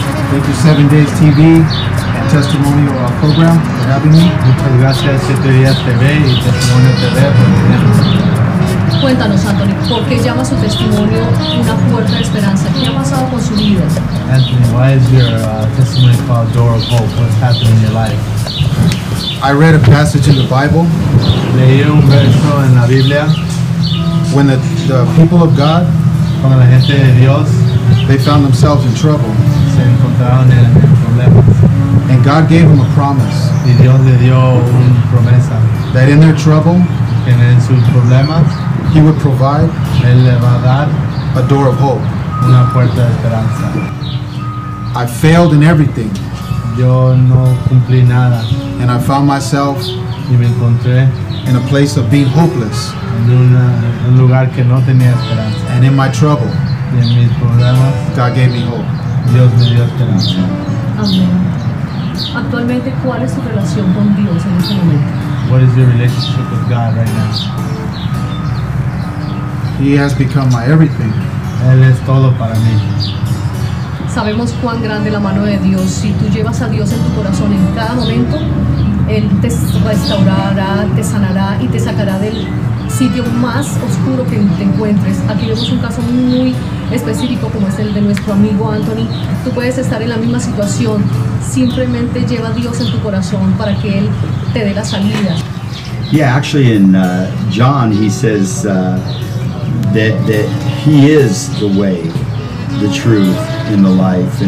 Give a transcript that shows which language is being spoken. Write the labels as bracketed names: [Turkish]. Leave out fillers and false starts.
[English] Thank you, 7 Days TV and Testimonio Program for having me. [Spanish] Muchas gracias, 7 Días TV y Testimonio TV por tenerme. Cuéntanos, Anthony, ¿por qué llama su testimonio una puerta de esperanza? ¿Qué ha pasado con su vida? [English] Anthony, why is your testimony called Door of Hope? What's happening in your life? I read a passage in the Bible. [Spanish] Leí un verso en la Biblia. [English] When the people of God, [Spanish] cuando la gente de Dios, [English] they found themselves in trouble. [Spanish] Se encontraron en problemas. [English] And God gave them a promise. [Spanish] Y Dios le dio una promesa. [English] That in their trouble, [Spanish] en sus problemas, [English] He would provide. [Spanish] Él le va a dar [English] a door of hope. [Spanish] Una puerta de esperanza. [English] I failed in everything. [Spanish] Yo no cumplí nada. [English] And I found myself [Spanish] y me encontré [English] in a place of being hopeless. [Spanish] En un lugar que no tenía esperanza. [English] And in my trouble, [Spanish] y en mis problemas, [English] God gave me hope. [Spanish] Dios me dio esperanza. Amén. Actualmente, ¿cuál es su relación con Dios en este momento? [English] What is your relationship with God right now? He has become my everything. [Spanish] Él es todo para mí. Sabemos cuán grande la mano de Dios. Si tú llevas a Dios en tu corazón en cada momento, Él te restaurará, te sanará y te sacará del sitio más oscuro que te encuentres. Aquí vemos un caso muy específico como es el de nuestro amigo Anthony. Tú puedes estar en la misma situación. Simplemente lleva a Dios en tu corazón para que Él te dé la salida. [English] Yeah, actually in John he says that he is the way, the truth, in the life.